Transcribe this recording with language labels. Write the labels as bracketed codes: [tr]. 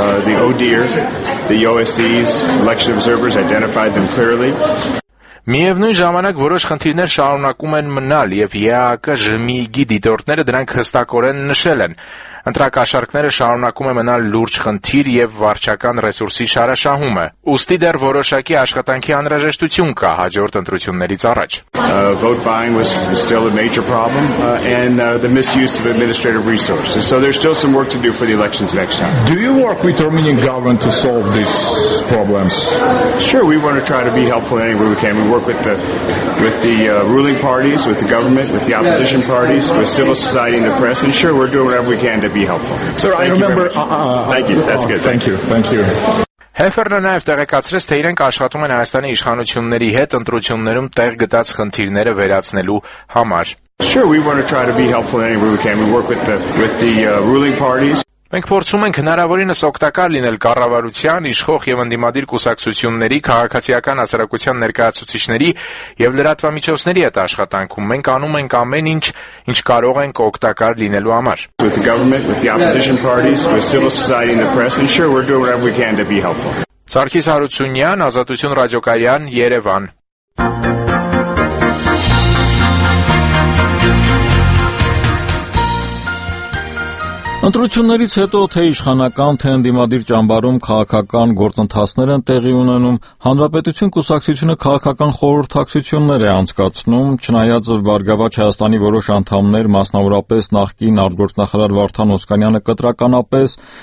[en] The ODIHR, the OSCE's election observers identified them clearly. [hy] Միևնույն ժամանակ որոշ խնդիրներ շարունակում են մնալ եւ ԵԱԿ ժմիգի դիտորդները դրանք հստակորեն նշել են։ Ընտրակաշարքները շարունակում է մնալ լուրջ խնդիր եւ վարչական ռեսուրսի շարաշահումը։ Ուստի դեռ որոշակի աշխատանքի անհրաժեշտություն կա հաջորդ ընտրություններից առաջ։ [en] Vote buying was still a major problem and the misuse of administrative resources. So there's still some work to do for the elections next time. Do you work with the Armenian government to solve these problems? Sure, we want to try to be helpful in any way we can. We work with the ruling parties, with the government, with the opposition parties, with civil society and the press, and sure, we're doing whatever we can to be helpful. Sir, thank I remember... Thank you, that's good. Thank you. [hy] Հեֆերնը նաև տեղեկացրեց, թե իրենք աշխատում են Հայաստանի իշխանությունների հետ ընտրություններում տեղ գտած խնդիրները վերացնելու համար։ [en] Sure, we want to try to be helpful in any way we can. We work with the ruling parties. [hy] Մենք փորձում ենք հնարավորինս օգտակար լինել կառավարության, իշխող եւ անդիմադիր կուսակցությունների, քաղաքացիական հասարակության ներկայացուցիչների եւ լրատվամիջոցների հետ աշխատանքում։ Մենք անում ենք ամեն ինչ, ինչ կարող ենք օգտակար լինելու համար։ [en] With the government, with the opposition parties, with civil society and the press, and sure we're doing whatever we can to be helpful. [hy] Սարգիս Հարությունյան, Ազատություն ռադիոկայան, Երևան։ Ընտրություններից հետո թե իշխանական, թե ընդդիմադիր ճամբարում քաղաքական գործընթացներ են տեղի ունենում, Հանրապետություն կուսակցությունը քաղաքական խորհրդակցություններ է անցկացնում, չնայած Բարգավաճ Հայաստանի որոշ անդամներ, մասնավորապես նախկին արտգործնախարար Վարդան Օսկանյանը կտրականապես